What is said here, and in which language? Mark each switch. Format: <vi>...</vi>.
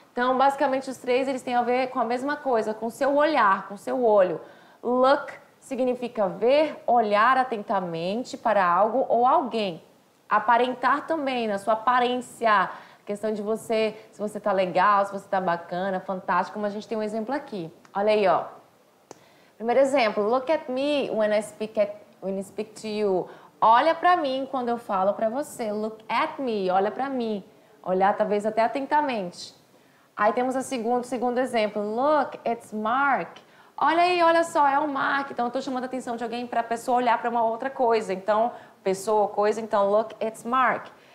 <pt>Então, basicamente, os 3, eles têm a ver com a mesma coisa, com o seu olhar, com o seu olho. Look significa ver, olhar atentamente para algo ou alguém. Aparentar também, na sua aparência. Questão de você, se você tá legal, se você tá bacana, fantástico, como a gente tem um exemplo aqui. Olha aí, ó. Primeiro exemplo,</pt> <en>look at me when I speak to you.</en> <pt>Olha pra mim quando eu falo pra você.</pt> <en>Look at me,</en> <pt>olha pra mim. Olhar talvez até atentamente. Aí temos o segundo exemplo.</pt> <en>Look, it's Mark.</en> <pt>Olha aí, olha só, é o Mark. Então, eu estou chamando a atenção de alguém para a pessoa olhar para uma outra coisa. Então, pessoa ou coisa, então,</pt> <en>look, it's Mark.</en>